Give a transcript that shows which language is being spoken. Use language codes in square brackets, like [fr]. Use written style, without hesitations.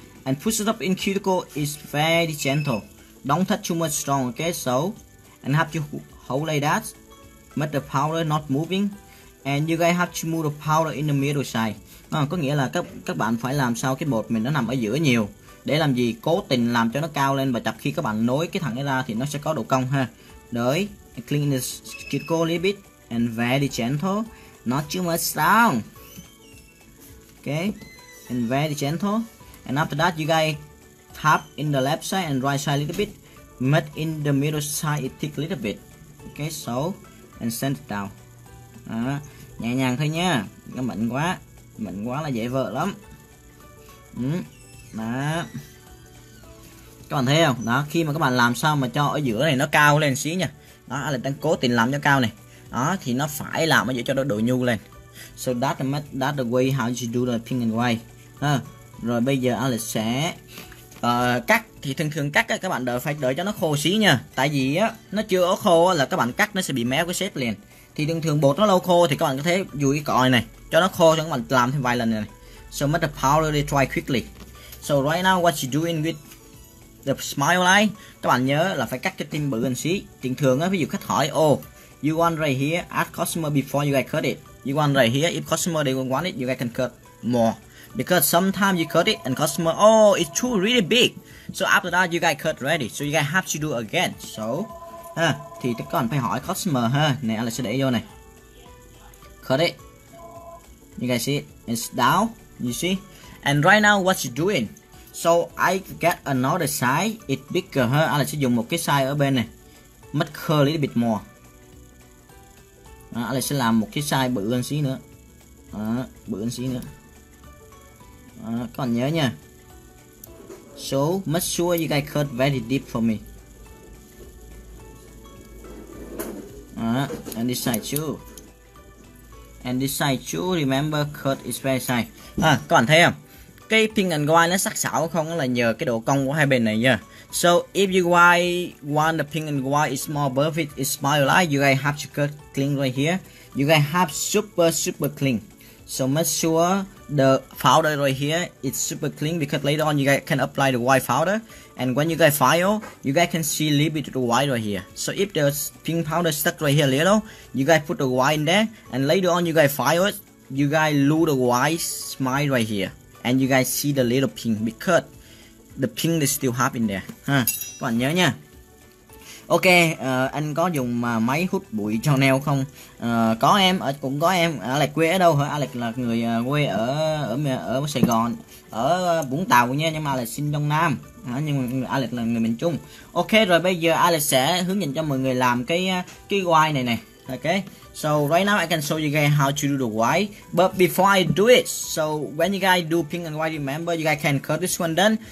[en] And push it up in cuticle is very gentle. Don't touch too much strong, okay? So, and have to hold like that. Make the powder not moving. And you guys have to move the powder in the middle side. [vi] Có nghĩa là các bạn phải làm sao cái bột mình nó nằm ở giữa nhiều. Để làm gì? Cố tình làm cho nó cao lên. Và chập khi các bạn nối cái thằng ấy ra thì nó sẽ có độ cong ha. [en] Đấy, and clean the cuticle a little bit. And very gentle, not too much strong. Okay, and very gentle. And after that, you guys tap in the left side and right side a little bit. Make in the middle side it thick a little bit. Okay, so and send it down. [vi] Đó, nhẹ nhàng thôi nha. Nó mịn quá. Mịn quá là dễ vỡ lắm. Đó. Các bạn thấy không? Đó, khi mà các bạn làm sao mà cho ở giữa này nó cao lên xí nha. Đó, là đang cố tình làm cho cao này. Đó, thì nó phải làm ở giữa cho nó độ nhu lên. [en] So that's the way how you do the pink and white. [vi] Rồi bây giờ Alex sẽ cắt. Thì thường cắt các bạn phải đợi cho nó khô xí nha. Tại vì nó chưa có khô là các bạn cắt nó sẽ bị méo cái shape liền. Thì thường bột nó lâu khô thì các bạn có thể dùi cái còi này cho nó khô cho các bạn làm thêm vài lần này. [en] So make the powder to dry quickly. So right now what you doing with the smile line, [vi] các bạn nhớ là phải cắt cái tim bự hơn xí. Thường ví dụ khách hỏi [en] you want right here, ask customer before you guys cut it. You want right here, if customer they don't want it, you guys can cut more. Because sometimes you cut it and customer, it's too really big. So after that, you guys cut ready. So you guys have to do again. [vi] So, thì các bạn phải hỏi customer ha. Này, Alex sẽ để vô này. [en] Cut it. You guys see it? It's down. You see? And right now, what you doing? So I get another size. It's bigger, huh? [vi] Alex sẽ dùng một cái size ở bên này. [en] Must curl a little bit more. [vi] Alex sẽ làm một cái size bự hơn xí nữa. Bự hơn xí nữa. Các bạn nhớ nha. [en] So, make sure you guys cut very deep for me. And this side too. And this side too, remember cut is very size. [vi] Các bạn thấy không? Cái pink and white nó sắc sảo không là nhờ cái độ cong của hai bên này nha. [en] So, if you want the pink and white is more perfect, it's smile like, you guys have to cut clean right here. You guys have super, super clean. So, make sure the powder right here is super clean, because later on you guys can apply the white powder. And when you guys file, you guys can see a little bit of the white right here. So, if the pink powder stuck right here a little, you guys put the white in there. And later on you guys file it, you guys lose the white smile right here. And you guys see the little pink, because the pink is still half in there. [vi] Các bạn nhớ nha. Ok, anh có dùng máy hút bụi cho nail không? Có em, cũng có em. Alex quê ở đâu hả? Alex là người quê ở Sài Gòn, ở Vũng Tàu nha, nhưng mà Alex sinh trong Nam. Nhưng mà Alex là người miền Trung. Ok, rồi bây giờ Alex sẽ hướng dẫn cho mọi người làm cái quai này này. [en] Ok, so right now I can show you guys how to do the white. But before I do it, so when you guys do pink and white, remember you guys can cut this one done.